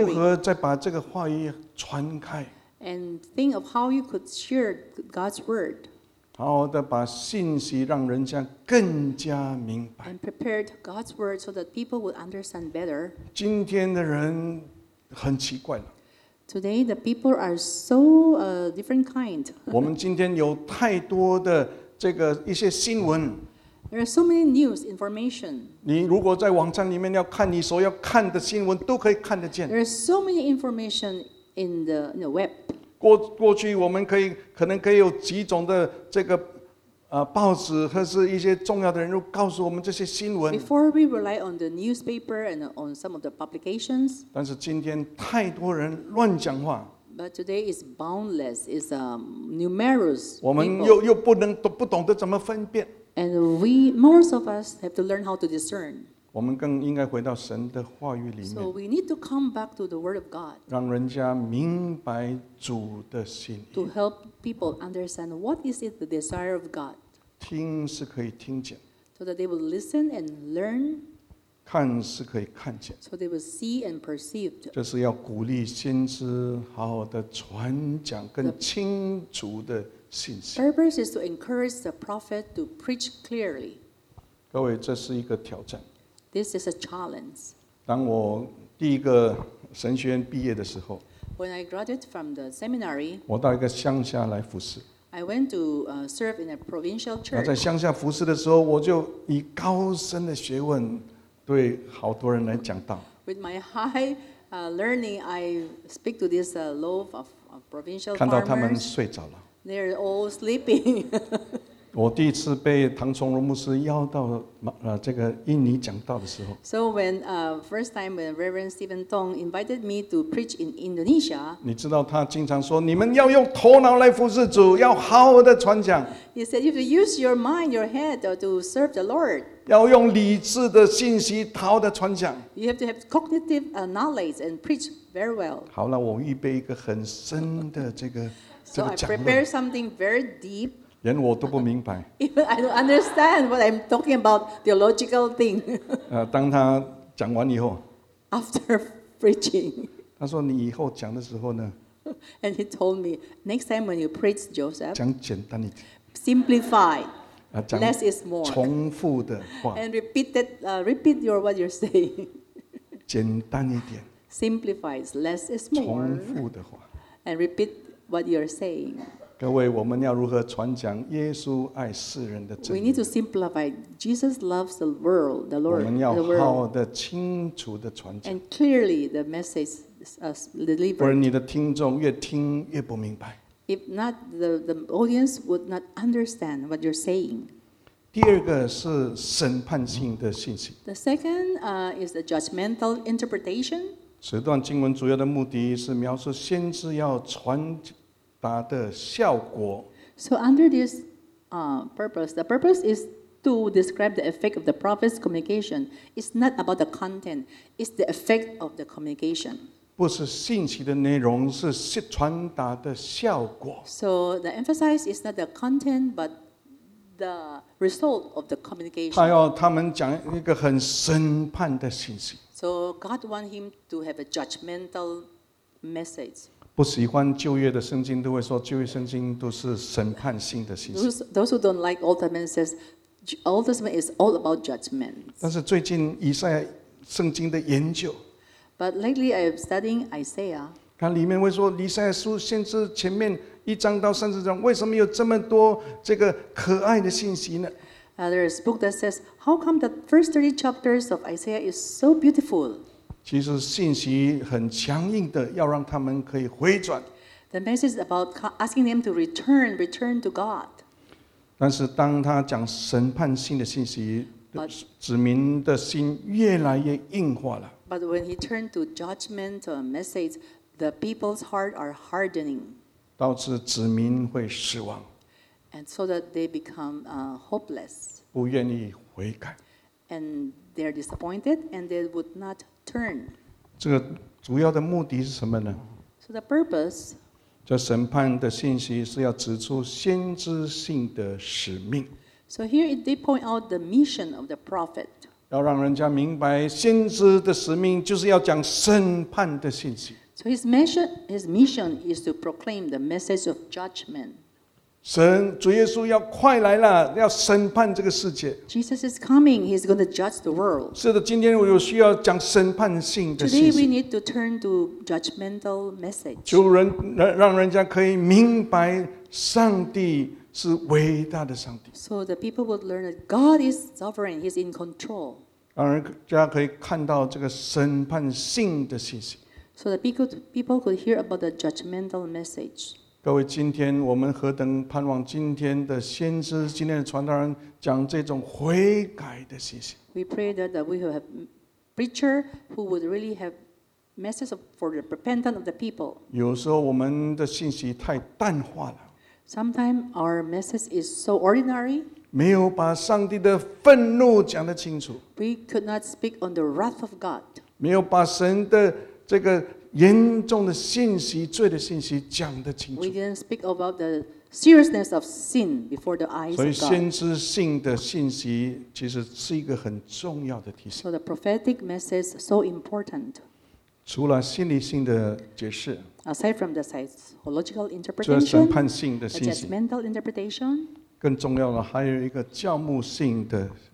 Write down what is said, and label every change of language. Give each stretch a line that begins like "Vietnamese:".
Chinese: 看如何再把这个话语传开
English: ，And think of how you could share God's word。
Chinese: 好好的把信息让人家更加明白。
English: And prepared God's word so that people would understand better.
Chinese: 今天的人很奇怪了。
English: Today the people are so different kind.
Chinese: 我们今天有太多的这个一些新闻。
English: There are so many news information.
Chinese: 你如果在网站里面要看你所要看的新闻，都可以看得见。
English: There are so many information in the web.
Chinese: 过去我们可能可以有几种的这个报纸或是一些重要的人物告诉我们这些新闻。
English: Before we rely on the newspaper and on some of the publications.
Chinese: 但是今天太多人乱讲话。
English: But today is boundless, is numerous.
Chinese: 我们又不能不懂得怎么分辨。
English: And we most of us have to learn how to discern.
Chinese: 我们更应该回到神的话语里面。
English: So we need to come back to the word of God.
Chinese: 让人家明白主的心意。
English: To help people understand what is it the desire of God.
Chinese: 听是可以听见。
English: So that they will listen and learn.
Chinese: 看是可以看见。
English: So they will see and perceive.
Chinese: 这是要鼓励先知好好的传讲更清楚的信息。
English: The purpose is to encourage the prophet to preach clearly.
Chinese: 各位，这是一个挑战。
English: This is a challenge.
Chinese: 当我第一个神学院毕业的时候
English: ，When I graduated from the seminary,
Chinese: 我到一个乡下来服侍。
English: I went to serve in a provincial church.
Chinese: 在乡下服事的时候，我就以高深的学问对好多人来讲道。
English: With my high learning, I speak to this loaf of provincial farmers.
Chinese: 看到他们睡着了。
English: They're all sleeping.
Chinese: 我第一次被唐崇荣牧师邀到这个印尼讲道的时候。
English: So when first time when Reverend Stephen Tong invited me to preach in Indonesia.
Chinese: 你知道他经常说，你们要用头脑来服侍主，要好好的传讲。
English: He said, "You have to use your mind, your head to serve the Lord."
Chinese: 要用理智的信息，好好的传讲。
English: You have to have cognitive knowledge and preach very well.
Chinese: 好了，我预备一个很深的这个。
English: So I prepare something very deep.
Chinese: 连我都不明白。
English: Even I don't understand what I'm talking about theological thing.
Chinese: 当他讲完以后。
English: After preaching.
Chinese: 他说你以后讲的时候呢。
English: And he told me, next time when you preach, Joseph.
Chinese: 讲简单一点。
English: Simplify. Less is more.
Chinese: 重复的话。
English: And repeat your what you're saying.
Chinese: 简单一点。
English: Simplify, less is more.
Chinese: 重复的话。
English: And repeat. What you are saying.
Chinese: 各位，我们要如何传讲耶稣爱世人的真理？
English: We need to simplify. Jesus loves the world, the Lord.
Chinese: 我们要好的、清楚的传讲。
English: And clearly the message is delivered.
Chinese: 不然你的听众越听越不明白。
English: If not, the audience would not understand what you're saying.
Chinese: 第二个是审判性的信息。
English: The second is the judgmental interpretation.
Chinese: 此段经文主要的目的是描述先知要传达的效果。
English: So under this purpose, the purpose is to describe the effect of the prophet's communication. It's not about the content; it's the effect of the communication.
Chinese: 不是信息的内容，是传达的效果。
English: So the emphasis is not the content, but the result of the communication.
Chinese: 他要他们讲一个很审判的信息。
English: So God wants him to have a judgmental message.
Chinese: 不喜欢旧约的圣经都会说旧约圣经都是审判性的信息。
English: Those who don't like Old Testament says Old Testament is all about judgment.
Chinese: 但是最近以赛亚圣经的研究。
English: But lately I'm studying Isaiah.
Chinese: 它里面会说以赛亚书先知前面一章到三十章为什么有这么多这个可爱的信息呢？
English: There is a book that says, how come the first 30 chapters of Isaiah is so beautiful?
Chinese: 其实信息很强硬的要让他们可以回转。
English: The message is about asking them to return to God.
Chinese: 但是当他讲审判性的信息
English: but,
Chinese: 子民的心越来越硬化了。
English: But when he turned to judgment or message, the people's heart are hardening.
Chinese: 导致子民会失望。
English: And so that they become hopeless.
Chinese: 不愿意悔改。
English: And they're disappointed, and they would not turn.
Chinese: 这个主要的目的是什么呢？
English: So the purpose.
Chinese: 这审判的信息是要指出先知性的使命。
English: So here they point out the mission of the prophet.
Chinese: 要让人家明白先知的使命就是要讲审判的信息。
English: So his mission is to proclaim the message of judgment.
Chinese: 神主耶稣要快来了，要审判这个世界。
English: Jesus is coming. He's going to judge the world.
Chinese: 是的，今天我有需要讲审判性的信息。
English: Today we need to turn to judgmental message.
Chinese: 求让人家可以明白上帝是伟大的上帝。
English: So the people would learn that God is sovereign. He's in control.
Chinese: 让人家可以看到这个审判性的信息。
English: So that people could hear about the judgmental message.
Chinese: 各位，今天我们何等盼望今天的先知、今天的传道人讲这种悔改的信息。
English: We pray that we will have preacher who would really have message for the repentance of the people.
Chinese: 有时候我们的信息太淡化了。
English: Sometimes our message is so ordinary.
Chinese: 没有把上帝的愤怒讲得清楚。
English: We could not speak on the wrath of God.
Chinese: 没有把神的这个。严重的信息、罪的信息讲得清楚。
English: We didn't speak about the seriousness of sin before the eyes of God.
Chinese: 所以先知性的信息其实是一个很重要的提醒。
English: So the prophetic message is so important.
Chinese: 除了心理性的解释
English: ，aside from the psychological interpretation，
Chinese: 审判性的信息
English: ，the judgmental interpretation，
Chinese: 更重要的还有一个教牧性的。